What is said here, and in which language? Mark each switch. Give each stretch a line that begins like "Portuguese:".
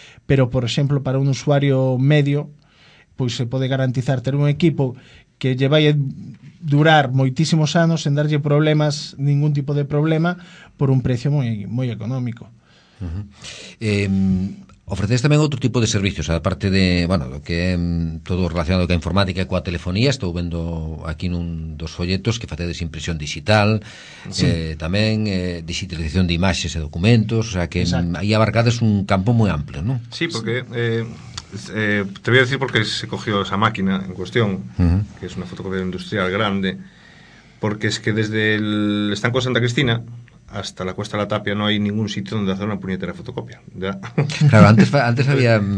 Spanish: Pero, por ejemplo, para un usuario medio, pues se puede garantizar tener un equipo que lleva a durar
Galician: moitísimos anos sen darlle problemas,
Spanish: ningún tipo de problema, por un precio moi económico. Uh-huh. Ofrecéis también otro tipo de servicios, aparte de, bueno, lo que todo relacionado con informática y con telefonía.
Galician: Estou vendo aquí nun dos folletos que facedes impresión digital, sí. Tamén digitalización de imaxes e documentos, o sea que aí abarcades un campo moi amplo, ¿no?
Spanish: Sí, porque te voy a decir porque se cogió esa máquina en cuestión, uh-huh. que es una fotocopia industrial grande, porque es que desde el estanco de Santa Cristina hasta la Cuesta de la Tapia no hay ningún sitio donde hacer una puñetera fotocopia, ¿ya? Claro, antes había